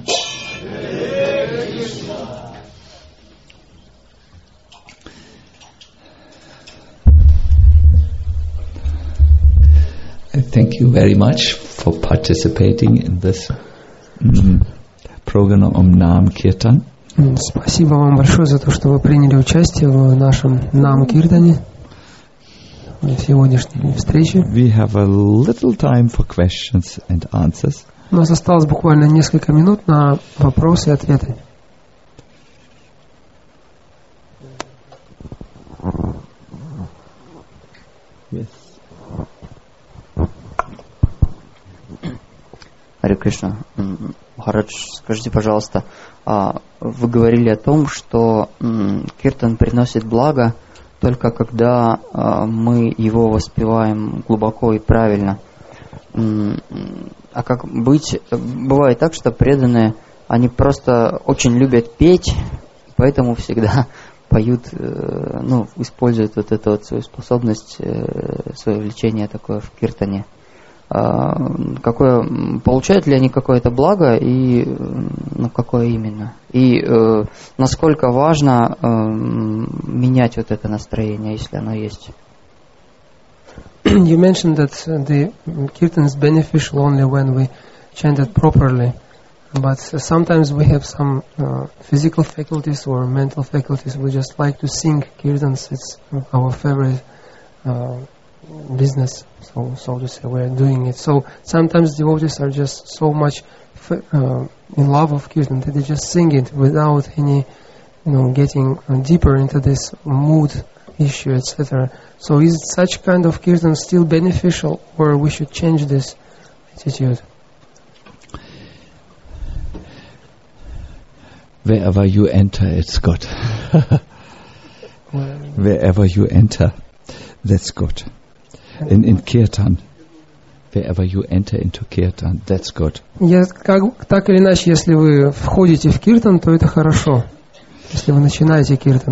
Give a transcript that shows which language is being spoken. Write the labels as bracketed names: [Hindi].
[English] Thank you very much for participating in this program Om Nam Kirtan. [Russian] Спасибо вам большое за то, что вы приняли участие в нашем Нам Киртане, в сегодняшней встрече. [English] We have a little time for questions and answers. [Russian] У нас осталось буквально несколько минут на вопросы и ответы. Харе Кришна, Махарадж, скажите, пожалуйста, вы говорили о том, что киртан приносит благо только когда мы его воспеваем глубоко и правильно. А как быть, бывает так, что преданные, они просто очень любят петь, поэтому всегда поют, ну, используют вот эту вот свою способность, свое влечение такое в киртане. Какое, получают ли они какое-то благо и ну, какое именно? И насколько важно менять вот это настроение, если оно есть? [English] You mentioned that the kirtan is beneficial only when we chant it properly. But sometimes we have some physical faculties or mental faculties. We just like to sing kirtans. It's our favorite business, so to say, we're doing it. So sometimes devotees are just so much in love of kirtan that they just sing it without any, you know, getting deeper into this mood issue, etc. So is such kind of kirtan still beneficial, or we should change this attitude? Wherever you enter, it's good. Wherever you enter, that's good. In kirtan, wherever you enter into kirtan, that's good. [Russian] Yes, как, так или иначе, если вы входите в киртан, то это хорошо. Если вы начинаете киртан.